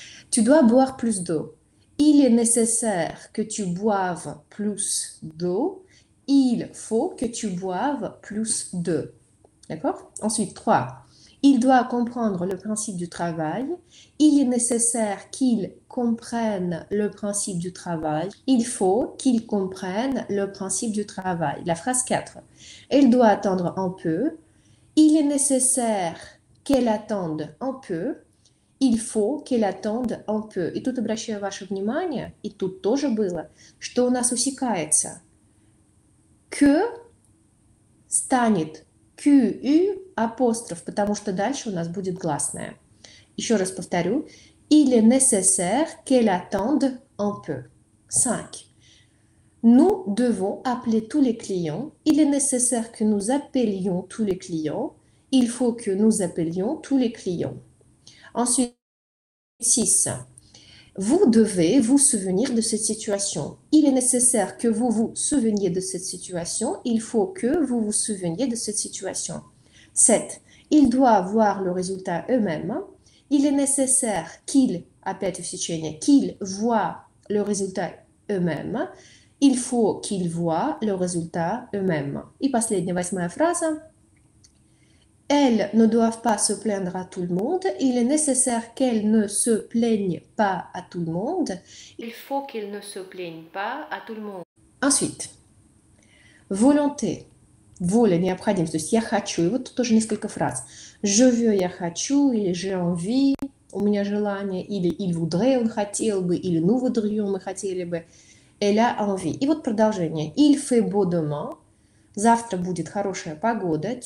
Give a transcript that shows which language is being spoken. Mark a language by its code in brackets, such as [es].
[fr] Tu dois boire plus d'eau. Il est nécessaire que tu boives plus d'eau. Il faut que tu boives plus d'eau. D'accord? Ensuite, 3. Il doit comprendre le principe du travail. Il est nécessaire qu'il comprenne le principe du travail. Il faut qu'il comprenne le principe du travail. La phrase 4. Elle doit attendre un peu. Il est nécessaire qu'elle attende un peu. Il faut qu'elle attende un peu. [ru] И тут обращаю ваше внимание, и тут тоже было, что у нас усекается. Que станет QU апостроф, потому что дальше у нас будет гласное. Еще раз повторю. [fr] Il est nécessaire qu'elle attende un peu. 5. Nous devons appeler tous les clients. Il est nécessaire que nous appelions tous les clients. Il faut que nous appelions tous les clients. Ensuite, 6. Vous devez vous souvenir de cette situation. Il est nécessaire que vous vous souveniez de cette situation. Il faut que vous vous souveniez de cette situation. 7. Ils doivent voir le résultat eux-mêmes. Il est nécessaire qu'ils, [ru] опять усечение, [fr] qu'ils voient le résultat eux-mêmes. Il faut qu'ils voient le résultat eux-mêmes. [ru] Et последняя, восьмая phrase. [fr] Elles ne doivent pas se plaindre à tout le monde. Il est nécessaire qu'elles ne se plaignent pas à tout le monde. Il faut qu'ils ne se plaignent pas à tout le monde. Ensuite, volonté. [ru] Воля, необходимость. То есть я хочу. И вот тут тоже несколько фраз. [fr] Je veux, [ru] я хочу. Или [fr] j'ai envie, [ru] у меня желание. Или [fr] il voudrait, [ru] он хотел бы. Или [fr] nous voudrions, [ru] мы хотели бы. [fr] Elle a envie. [ru] И вот продолжение. [fr] Il fait beau demain. [ru] Завтра будет хорошая погода.